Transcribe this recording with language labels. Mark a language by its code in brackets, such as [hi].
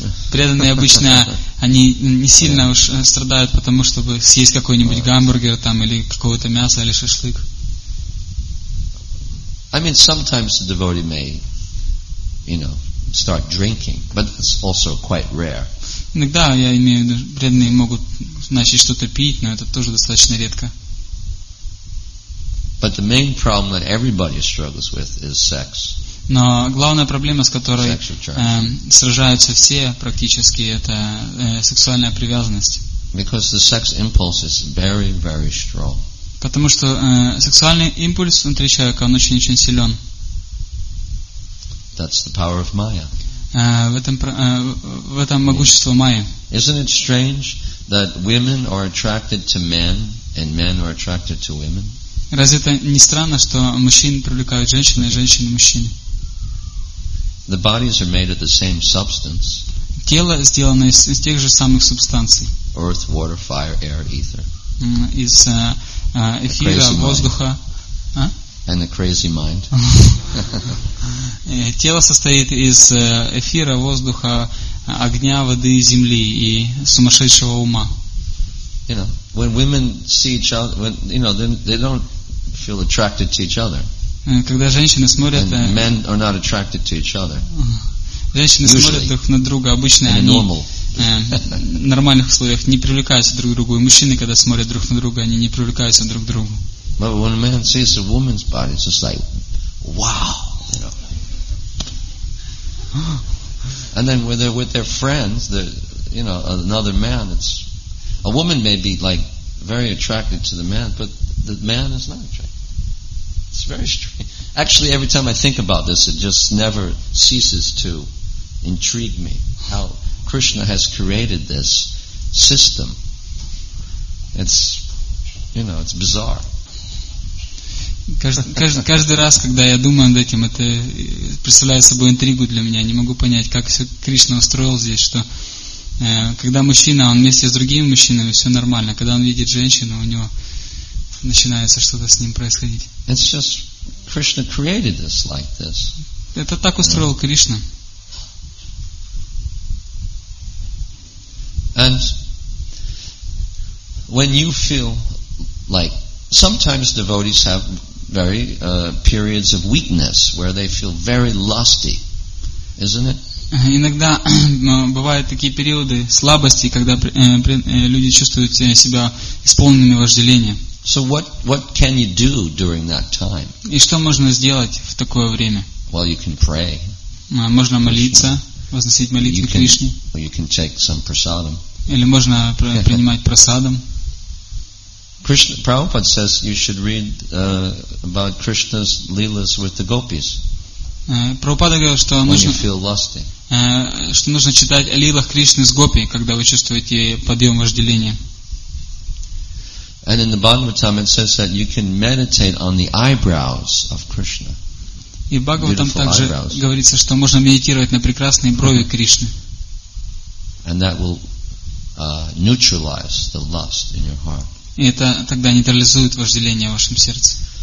[ru] Преданные обычно они не сильно уж страдают потому, чтобы съесть какой-нибудь гамбургер там или какого-то мяса или шашлык. [en] I mean, sometimes the devotee may, you know, start drinking, but it's also quite rare. [ru] Иногда я имею в виду, преданные могут начать что-то пить, но это тоже достаточно редко. [en] But the main problem that everybody struggles with is sex. [ru] Но главная проблема, с которой сражаются все практически, это сексуальная привязанность. [en] Because the sex impulse is very, very strong. [ru] Потому что сексуальный импульс внутри человека, он очень-очень силен. [en] That's the power of Maya. [ru] В этом могущество Майи. [en] Isn't it strange that women are attracted to men and men are attracted to women? [ru] Разве это не странно, что мужчины привлекают женщин и женщины мужчин? [en] The bodies are made of the same substance. [ru] Тело сделано из тех же самых субстанций. [en] Earth, water, fire, air, ether. [ru] Из эфира, воздуха. [en] And the crazy mind. [ru] Тело состоит из эфира, воздуха, огня, воды и земли и сумасшедшего ума. [en] You know, when women see each other, when, you know, they don't feel attracted to each other. [ru] Когда женщины смотрят, [en] and men are not attracted to each other. [ru] Женщины смотрят друг на друга обычно, они в нормальных условиях не привлекаются друг к другу. И мужчины, когда смотрят друг на друга, они не привлекаются друг к другу. [en] But when a man sees a woman's body, it's just like, wow. And then with their friends, you know, another man, it's a woman may be like very attracted to the man, but the man is not attracted. It's very strange. Actually, every time I think about this, it just never ceases to intrigue me how Krishna has created this system. It's, you know, it's bizarre. [ru] Каждый раз, когда я думаю над этим, это представляет собой интригу для меня. Не могу понять, как все Кришна устроил здесь, что когда мужчина, он вместе с другими мужчинами, все нормально. Когда он видит женщину, у него начинается что-то с ним происходить. [en] It's just Krishna created this like this. [ru] Это так устроил Кришна. [en] And when you feel like sometimes devotees have very periods of weakness where they feel very lusty, isn't it? [ru] Иногда бывают такие периоды слабости, когда люди чувствуют себя исполненными вожделения. [en] So what can you do during that time? [ru] И что можно сделать в такое время? [en] Well, you can pray. [ru] Можно молиться, возносить молитвы Кришне. [en] Or you can take some prasadam. [ru] Или можно принимать прасадам. [en] Krishna Prabhupada says you should read about Krishna's leelas with the gopis. [ru] Prabhupada говорил, что нужно, [en] when you feel lusty. [ru] Что нужно читать о лилах Кришны с гопи, когда вы чувствуете подъем вожделения. [en] And in the Bhagavatam it says that you can meditate on the eyebrows of Krishna. [ru] И в Бхагаватам также говорится, что можно медитировать на прекрасные брови Кришны. [en] And that will neutralize the lust in your heart. [ru] И это тогда нейтрализует вожделение в вашем сердце.